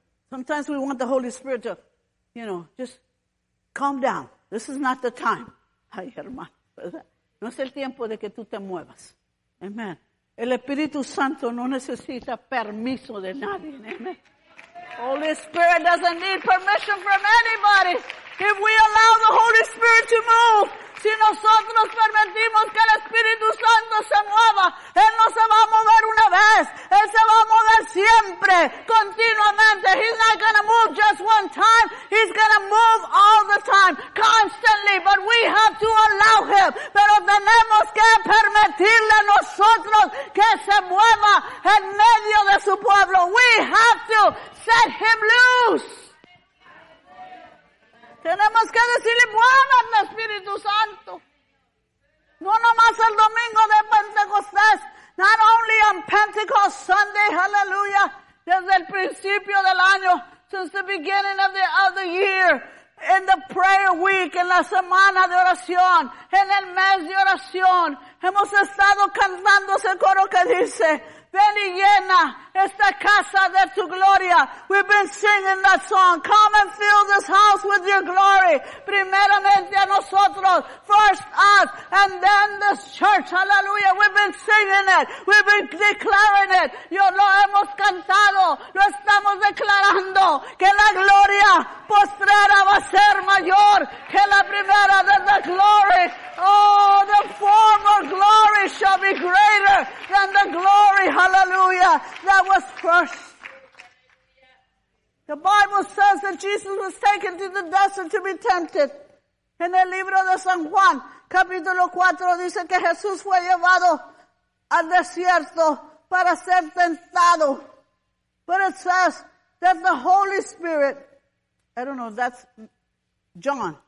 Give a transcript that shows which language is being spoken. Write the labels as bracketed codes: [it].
[en] Sometimes we want the Holy Spirit to, you know, just calm down. This is not the time. [es] Ay, hermano, no es el tiempo de que tú te muevas. Amen. El Espíritu Santo no necesita permiso de nadie. [en] Amen. Holy Spirit doesn't need permission from anybody. If we allow the Holy Spirit to move, [es] si nosotros permitimos que el Espíritu Santo se mueva, Él no se va a mover una vez. Él se va a mover siempre, continuamente. [en] He's not going to move just one time. He's going to move all the time, constantly. But we have to allow Him. [es] Pero tenemos que permitirle a nosotros que se mueva en medio de su pueblo. [en] We have to set Him loose. [es] Tenemos que decirle, muévanme, Espíritu Santo. No nomás el domingo de Pentecostés. [en] Not only on Pentecost Sunday, hallelujah. [es] Desde el principio del año, [en] since the beginning of the year, in the prayer week, [es] en la semana de oración, en el mes de oración, hemos estado cantando ese coro que dice, Ven y llena esta casa de tu gloria. [en] We've been singing that song. Come and fill this house with your glory. [es] Primeramente a nosotros. [en] First us. And then this church. Hallelujah. We've been singing it. We've been declaring it. [es] Yo lo hemos cantado. Lo estamos declarando. Que la gloria postrera va a ser mayor que la primera de la gloria. [en] Oh, the former glory shall be greater than the glory. Hallelujah. That was first. The Bible says that Jesus was taken to the desert to be tempted. [es] En el libro de San Juan, capítulo 4, dice que Jesús fue llevado al desierto para ser tentado. [en] But it says that the Holy Spirit, I don't know, that's John.